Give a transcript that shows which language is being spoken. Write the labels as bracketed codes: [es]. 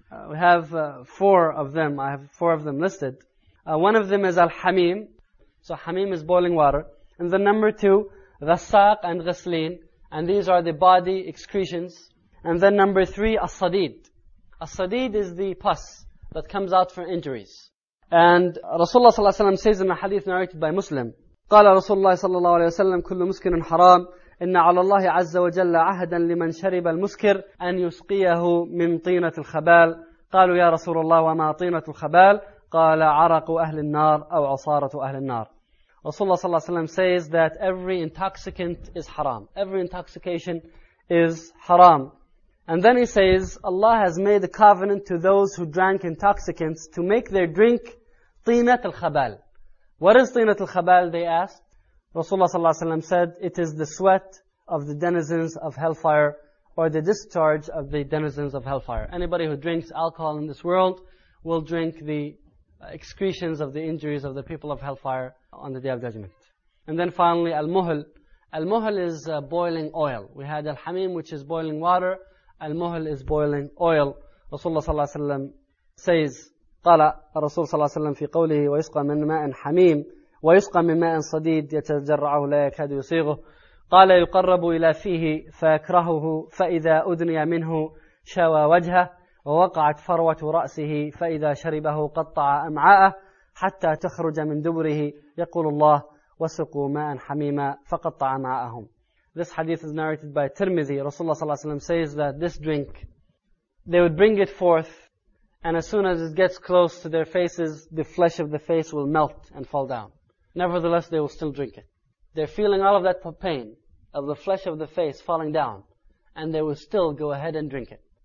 [en] We have four of them. I have four of them listed. One of them is al-hamim. So hamim is boiling water. And the number two, ghassaq and ghislin. And these are the body excretions. And then number three, as-sadid. As-sadid is the pus that comes out from injuries. And Rasulullah sallallahu alayhi wa sallam says in a hadith narrated by Muslim, [ar] قال رسول الله صلى الله عليه وسلم كل مسكر حرام إن على الله عز وجل عهدا لمن شرب المسكر أن يسقيه من طينة الخبال. قالوا يا رسول الله وما طينة الخبال؟ قال عرق أهل النار أو عصارة أهل النار. [en] Rasulullah صلى الله عليه وسلم says that every intoxicant is haram. Every intoxication is haram. And then he says, Allah has made a covenant to those who drank intoxicants to make their drink طينة الخبال. What is طينة الخبال, they asked. Rasulullah صلى الله عليه وسلم said, it is the sweat of the denizens of hellfire, or the discharge of the denizens of hellfire. Anybody who drinks alcohol in this world will drink the excretions of the injuries of the people of hellfire on the Day of Judgment. And then finally, المهل. المهل is boiling oil. We had الحميم, which is boiling water. المهل is boiling oil. [ar] Rasulullah صلى الله عليه وسلم [en] says, [ar] قال الرسول صلى الله عليه وسلم في قوله ويسقى من ماء حميم ويسقى من ماء صديد يتجرعه لا يكاد يصيغه قال يقرب إلى فيه فيكرهه فإذا أدني منه شوى وجهه ووقعت فروة رأسه فإذا شربه قطع أمعاءه حتى تخرج من دبره يقول الله وسقوا ماء حميما فقطع أمعاءهم. [en] This hadith is narrated by Tirmidhi. Rasulullah صلى الله عليه وسلم says that this drink, they would bring it forth, and as soon as it gets close to their faces, the flesh of the face will melt and fall down. Nevertheless, they will still drink it. They're feeling all of that pain of the flesh of the face falling down, and they will still go ahead and drink it.